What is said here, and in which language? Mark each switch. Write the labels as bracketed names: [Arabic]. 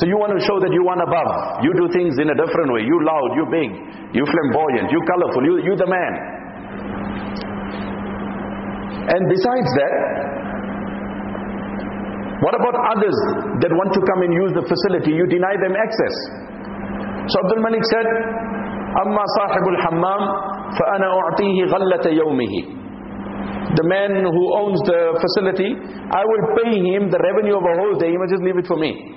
[English] So you want to show that you want above. You do things in a different way. You loud, you big, you flamboyant, you colorful, you the man. And besides that, what about others that want to come and use the facility? You deny them access. So Abdul Malik said, [Arabic] أَمَّا صَاحِبُ الْحَمَّامِ فَأَنَا أُعْطِيهِ غَلَّةَ يَوْمِهِ. [English] The man who owns the facility, I will pay him the revenue of a whole day, he must just leave it for me.